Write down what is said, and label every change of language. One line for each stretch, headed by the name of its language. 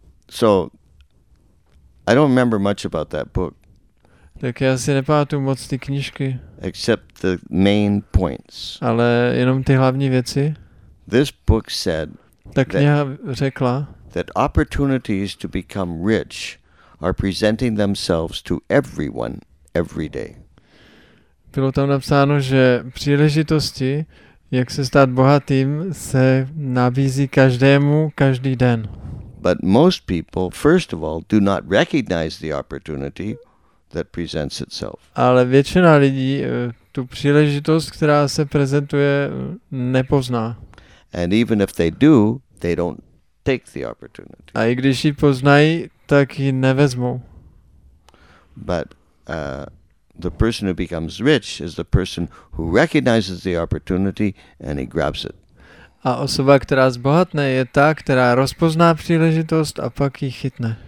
English: So I don't remember much about that book.
Czech: Tak já si nepamatuju moc ty knížky.
English: Except the main points.
Czech: Ale jenom ty hlavní věci.
English: This book said
Czech: ta kniha řekla,
English: that opportunities to become rich are presenting themselves to everyone every day.
Czech: Bylo tam napsáno, že příležitosti, jak se stát bohatým, se nabízí každému každý den.
English: But most people, first of all, do not recognize the opportunity that presents itself.
Czech: Ale většina lidí tu příležitost, která se prezentuje, nepozná.
English: And even if they do, they don't take the opportunity.
Czech: A i když ji poznají, tak ji nevezmou.
English: But the person who becomes rich is the person who recognizes the opportunity and he grabs it.
Czech: A osoba, která zbohatne, je ta, která rozpozná příležitost a pak ji chytne.